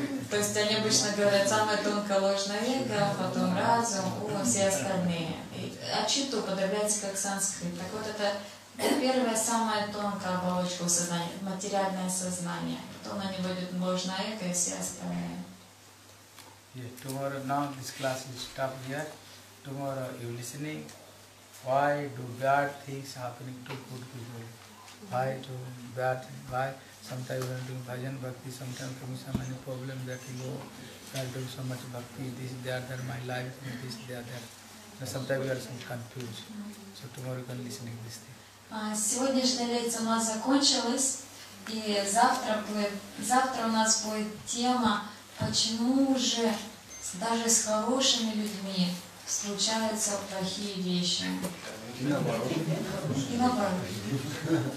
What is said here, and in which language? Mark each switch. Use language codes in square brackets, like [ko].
[ru] То есть они обычно говорят самое тонкое ложное эго, потом разум, ум и все остальные. А читта употребляется как санскрит. Так вот, это первая самая тонкая оболочка у сознания, материальное сознание. Потом на него идет ложное эго и все остальные. [en] Yes, tomorrow, now this class is stopped here. Tomorrow you listening. Why do bad things happening to good people? why to that, why sometimes we are doing bhajan bhakti, sometimes from some any problem that you know, I'll do so much bhakti, this, that, that, my life, this, that, that. Sometimes we are some confused. So tomorrow you can listen to this thing. [ru] Сегодняшняя лекция у нас закончилась, и завтра у нас будет тема, почему же даже с хорошими людьми случаются плохие вещи. И